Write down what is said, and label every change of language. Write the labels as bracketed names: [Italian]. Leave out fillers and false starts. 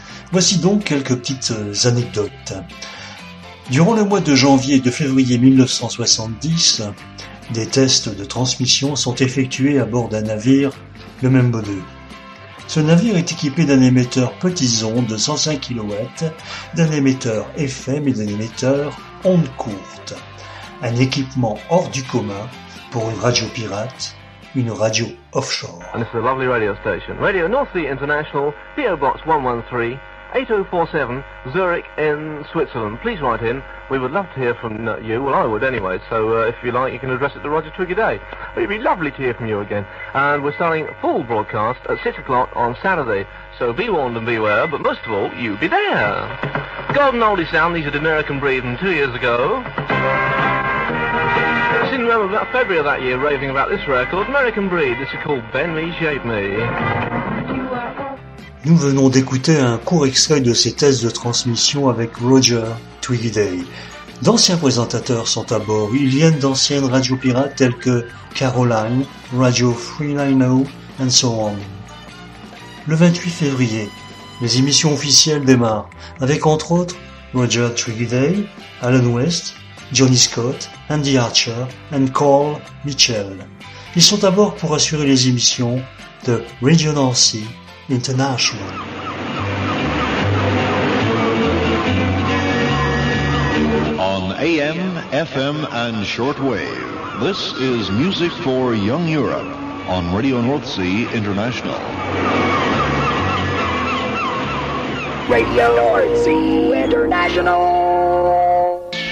[French] Voici donc quelques petites anecdotes. Durant le mois de janvier et de février 1970, des tests de transmission sont effectués à bord d'un navire, le Mambo 2. Ce navire est équipé d'un émetteur petites ondes de 105 kW, d'un émetteur FM et d'un émetteur ondes courtes. Un équipement hors du commun pour une radio pirate. Une radio offshore. [English] And this is a lovely radio station. Radio North Sea International, PO Box 113, 8047, Zurich in Switzerland. Please write in. We would love to hear from you. Well, I would anyway. So if you like, you can address it to Roger Twiggy Day. It would be lovely to hear from you again. And we're starting full broadcast at 6 o'clock on Saturday. So be warned and beware, but most of all, you be there. Golden oldie sound. These are American breed from 2 years ago. I remember about February of that year raving about this record, American Breed. This is called Bend Me, Shape Me. [French] Nous venons d'écouter un court extrait de ses tests de transmission avec Roger Twiggy Day. D'anciens présentateurs sont à bord. Ils viennent d'anciennes radios pirates telles que Caroline, Radio 390, [English] and so on. [French] Le 28 février, les émissions officielles démarrent avec entre autres Roger Twiggy Day, Alan West, Johnny Scott, Andy Archer and Carl Mitchell. Ils sont à bord pour assurer les émissions de Radio North Sea International. [English] On AM, FM and shortwave, this is Music for Young Europe on Radio North Sea International. Radio North Sea International.